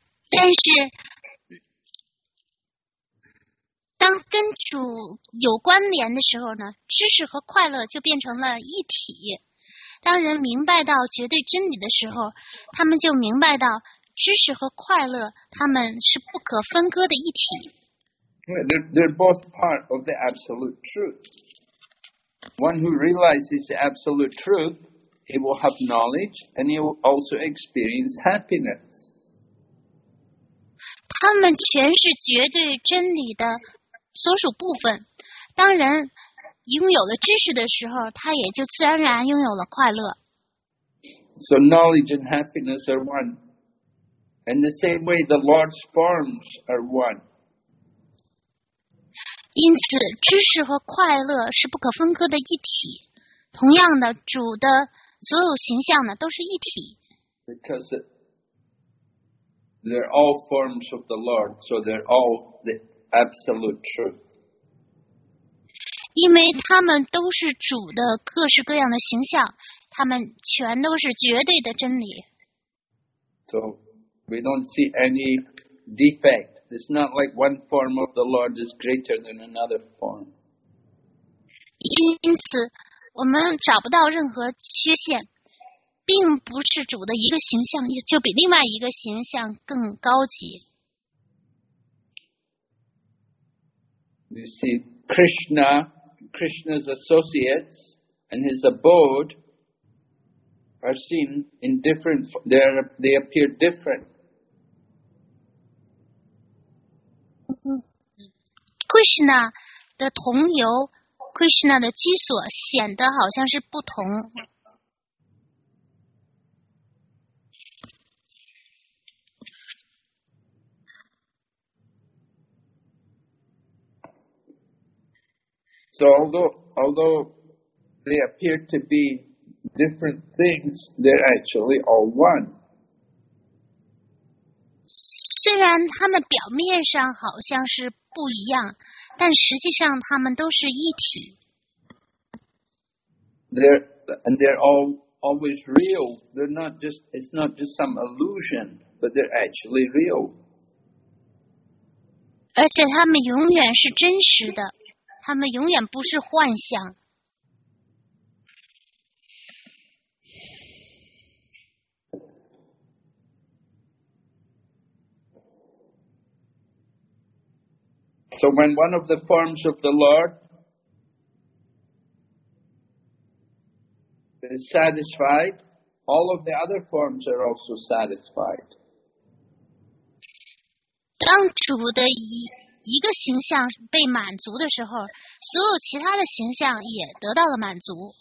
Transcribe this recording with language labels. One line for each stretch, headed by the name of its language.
Chinese: 但是当跟主有关联的时候呢，知识和快乐就变成了一体。当人明白到绝对真理的时候，他们就明白到知识和快乐，他们是不可分割的一体。
English: They're both part of the absolute truth. One who realizes the absolute truth, he will have knowledge and he will also experience happiness.
Chinese: 他们全是绝对真理的所属部分，当人拥有了知识的时候，他也就自然而然拥有了快乐。
English: So knowledge and happiness are one. In the same way, the Lord's forms are one.
Chinese: 因此，知识和快乐是不可分割的一体。同样的，主的所有形象呢，都是一体。
English: Because they're all forms of the Lord, so they're all the absolute truth.
Chinese: 因为他们都是主的各式各样的形象，他们全都是绝对的真理。
English: So we don't see any defect. It's not like one form of the Lord is greater than another form.
Chinese: 因此，我们找不到任何缺陷，并不是主的一个形象就比另外一个形象更高级。
English: You see, Krishna's associates and his abode are seen in different, they appear different.
Chinese: Krishna 的同游， Krishna 的居所显得好像是不同。
English: So although they appear to be different things, they're actually all one.
Chinese: 虽然他们表面上好像是不一样，但实际上他们都是一体。
English: They're always real. They're not just, it's not just some illusion, but they're actually real.
Chinese: 而且他们永远是真实的。他们永远不是幻象。
English: So when one of the forms of the Lord is satisfied, all of the other forms are also satisfied.
Chinese: 当主的一个形象被满足的时候，所有其他的形象也得到了满足。